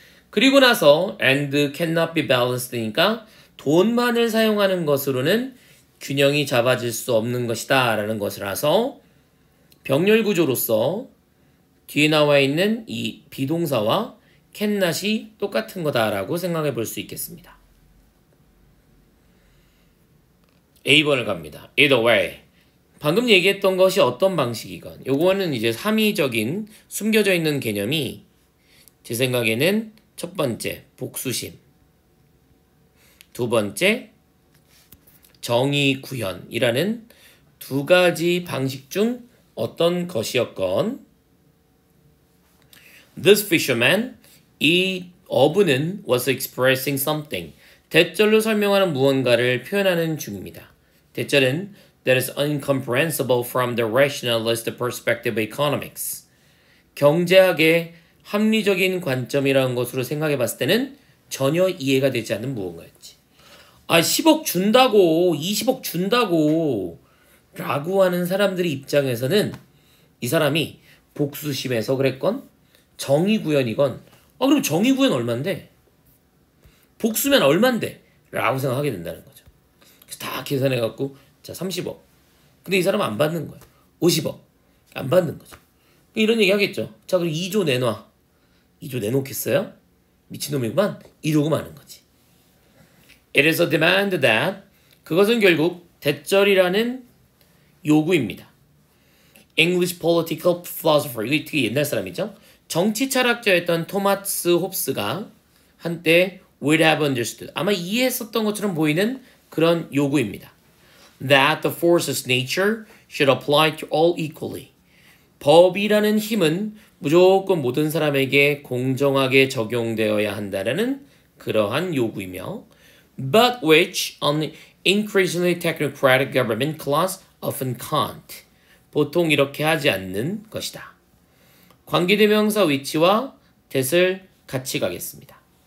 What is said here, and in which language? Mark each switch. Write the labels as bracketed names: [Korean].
[Korean] 그리고 나서 [English] and cannot be balanced [Korean] 니까 돈만을 사용하는 것으로는 균형이 잡아질 수 없는 것이다 라는 것을 알아서 병렬 구조로서 뒤에 나와 있는 이 비동사와 cannot이 똑같은 거다라고 생각해 볼 수 있겠습니다. A번을 갑니다. [English] Either way, [Korean] 방금 얘기했던 것이 어떤 방식이건 요거는 이제 삼위적인 숨겨져 있는 개념이 제 생각에는 첫 번째 복수심, 두 번째 정의 구현이라는 두 가지 방식 중 어떤 것이었건 [English] This fisherman, [Korean] 이 어부는 [English] was expressing something. [Korean] 대절로 설명하는 무언가를 표현하는 중입니다. 대절은 [English] that is incomprehensible from the rationalist perspective of economics. [Korean] 경제학의 합리적인 관점이라는 것으로 생각해 봤을 때는 전혀 이해가 되지 않는 무언가였지. 아, 10억 준다고, 20억 준다고 라고 하는 사람들의 입장에서는 이 사람이 복수심에서 그랬건 정의구현이건 아 그럼 정의구현 얼만데? 복수면 얼만데? 라고 생각하게 된다는 거죠. 그래서 다 계산해갖고 자 30억 근데 이 사람은 안 받는 거야. 50억 안 받는 거죠. 이런 얘기 하겠죠. 자 그럼 2조 내놔. 2조 내놓겠어요? 미친놈이구만. 이러고 마는 거지. [English] It is a demand that [Korean] 그것은 결국 대절이라는 요구입니다. [English] English political philosopher [Korean] 이게 되게 옛날 사람이죠. 정치 철학자였던 토마스 홉스가 한때 [English] would have understood [Korean] 아마 이해했었던 것처럼 보이는 그런 요구입니다. [English] That the forces nature should apply to all equally. [Korean] 법이라는 힘은 무조건 모든 사람에게 공정하게 적용되어야 한다는 그러한 요구이며 [English] but which an increasingly technocratic government class often can't. [Korean] 보통 이렇게 하지 않는 것이다. 관계대명사 위치와 that을 같이 가겠습니다.